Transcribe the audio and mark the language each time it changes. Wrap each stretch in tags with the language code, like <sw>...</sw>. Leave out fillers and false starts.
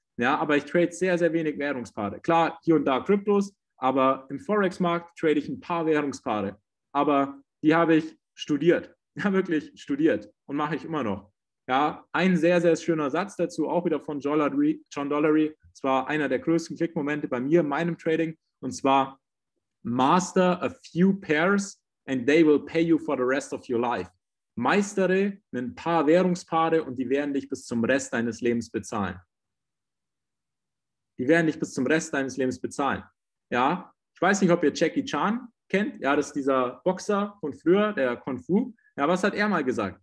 <de>Ja, aber ich trade sehr, sehr wenig Währungspaare. Klar, hier und da Kryptos, aber im Forex-Markt trade ich ein paar Währungspaare. Aber die habe ich studiert. Ja, wirklich studiert und mache ich immer noch. Ja, ein sehr, sehr schöner Satz dazu, auch wieder von John Dollery. Es war einer der größten Klickmomente bei mir in meinem Trading. Und zwar,</de> <en>master a few pairs and they will pay you for the rest of your life.</en> <de>Meistere ein paar Währungspaare und die werden dich bis zum Rest deines Lebens bezahlen. Die werden dich bis zum Rest deines Lebens bezahlen. Ja, ich weiß nicht, ob ihr Jackie Chan kennt. Ja, das ist dieser Boxer von früher, der Kung Fu. Ja, was hat er mal gesagt?</de>